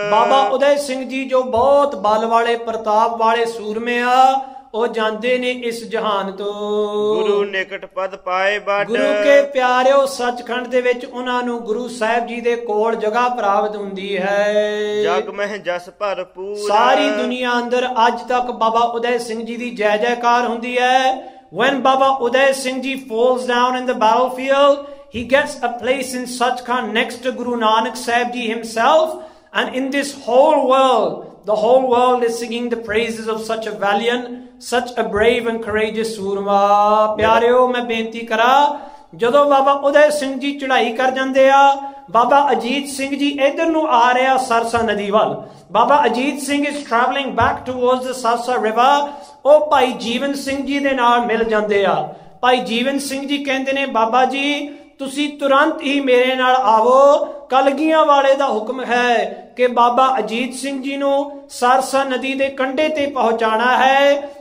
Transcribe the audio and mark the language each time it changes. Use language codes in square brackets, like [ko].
[pa] ਬਾਬਾ ਉਦੈ ਸਿੰਘ ਜੀ ਜੋ ਬਹੁਤ ਬਲ ਵਾਲੇ ਪ੍ਰਤਾਪ ਵਾਲੇ ਸੂਰਮੇ ਆ, ਉਹ ਜਾਂਦੇ ਨੇ ਇਸ ਜਹਾਨ ਤੋਂ। ਗੁਰੂ ਨਿਕਟ ਪਦ ਪਾਏ ਬਾਟ, ਗੁਰੂ ਕੇ ਪਿਆਰਿਓ ਸੱਚਖੰਡ ਦੇ ਵਿੱਚ ਉਹਨਾਂ ਨੂੰ ਗੁਰੂ ਸਾਹਿਬ ਜੀ ਦੇ ਕੋਲ ਜਗ੍ਹਾ ਪ੍ਰਾਪਤ ਹੁੰਦੀ ਹੈ। ਜਗ ਮਹਿ ਜਸ ਭਰਪੂਰ, ਸਾਰੀ ਦੁਨੀਆ ਅੰਦਰ ਅੱਜ ਤੱਕ ਬਾਬਾ ਉਦੈ ਸਿੰਘ ਜੀ ਦੀ ਜੈ ਜੈਕਾਰ ਹੁੰਦੀ ਹੈ। [en] When Baba Uday Singh Ji falls down in the battlefield, he gets a place in Sachkhand next to Guru Nanak Sahib Ji himself. And in this whole world, the whole world is singing the praises of such a valiant, such a brave and courageous Surma. [pa] Pyareo, main benti kara, ਜਦੋਂ ਬਾਬਾ ਉਦੈ ਸਿੰਘ ਜੀ ਚੜ੍ਹਾਈ ਕਰ ਜਾਂਦੇ ਆ, ਬਾਬਾ ਅਜੀਤ ਸਿੰਘ ਜੀ ਇੱਧਰ ਨੂੰ ਆ ਰਿਹਾ ਸਰਸਾ ਨਦੀ ਵੱਲ, Baba Ajit Singh [en] is travelling back towards the Sarsa river, [pa] ਉਹ ਭਾਈ ਜੀਵਨ ਸਿੰਘ ਜੀ ਦੇ ਨਾਲ ਮਿਲ ਜਾਂਦੇ ਆ। ਭਾਈ ਜੀਵਨ ਸਿੰਘ ਜੀ ਕਹਿੰਦੇ ਨੇ, ਬਾਬਾ ਜੀ ਤੁਸੀਂ ਤੁਰੰਤ ਹੀ ਮੇਰੇ ਨਾਲ ਆਵੋ, ਕਲਗੀਆਂ ਵਾਲੇ ਦਾ ਹੁਕਮ ਹੈ ਕਿ ਬਾਬਾ ਅਜੀਤ ਸਿੰਘ ਜੀ ਨੂੰ ਸਰਸਾ ਨਦੀ ਦੇ ਕੰਢੇ ਤੇ ਪਹੁੰਚਾਉਣਾ ਹੈ।